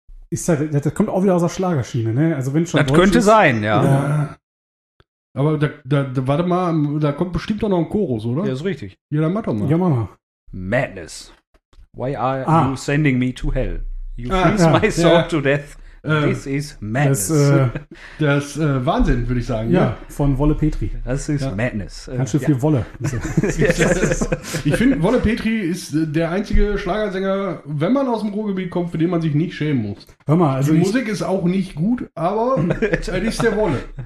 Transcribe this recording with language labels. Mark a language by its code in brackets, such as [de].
[de] Das kommt auch wieder aus der Schlagerschiene, ne? Also wenn schon. Das Deutsch könnte ist, sein, ja. Aber da, warte mal, da kommt bestimmt auch noch ein Chorus, oder? Ja, ist richtig. Ja, dann mach doch mal. Ja, mach mal. [en] Madness. Why are you sending me to hell? You freeze my soul to death. This is madness. [de] Das Wahnsinn, würde ich sagen. Ja, von Wolle Petri. Das ist madness. Ganz schön viel Wolle. Ich finde, Wolle Petri ist der einzige Schlagersänger, wenn man aus dem Ruhrgebiet kommt, für den man sich nicht schämen muss. Hör mal, also die Musik ist auch nicht gut, aber es ist der Wolle.